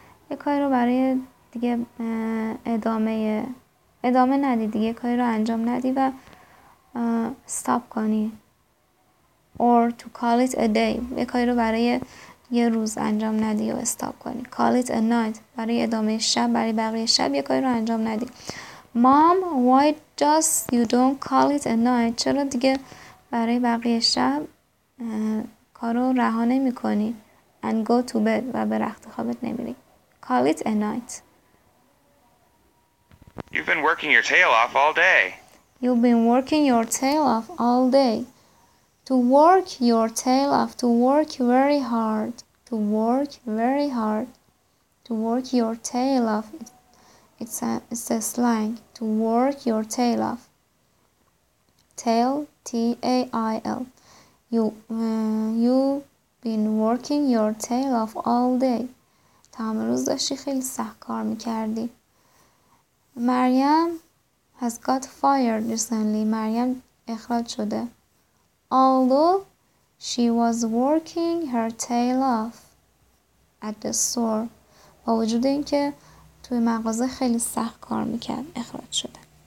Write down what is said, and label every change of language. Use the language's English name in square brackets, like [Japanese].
[Persian] یه کاری رو برای دیگه ادامه ندی, دیگه کاری رو انجام ندی و stop کنی. [English] Or to call it a day, [Persian] یه کاری رو برای یه روز انجام ندی و stop کنی. [English] Call it a night, [Persian] برای ادامه شب, برای بقیه شب یه کاری رو انجام ندی. [English] Mom, why just you don't call it a night? [Persian] چرا دیگه برای بقیه شب کارو رها نمی کنی؟ [English] And go to bed, [Persian] و به رخت خوابت نمیری. [English] Call it a night. You've been working your tail off all day. You've been working your tail off all day. To work your tail off, to work very hard. To work very hard. To work your tail off. It's a slang. To work your tail off. Tail, T-A-I-L. You've been working your tail off all day. [Persian] تمام روز داشتی خیلی سخت کار میکردی. [English] مریم has got fired recently. [Persian] مریم اخراج شده. [English] Although she was working her tail off at the store. [Persian] با وجود این که توی مغازه خیلی سخت کار میکرد اخراج شده.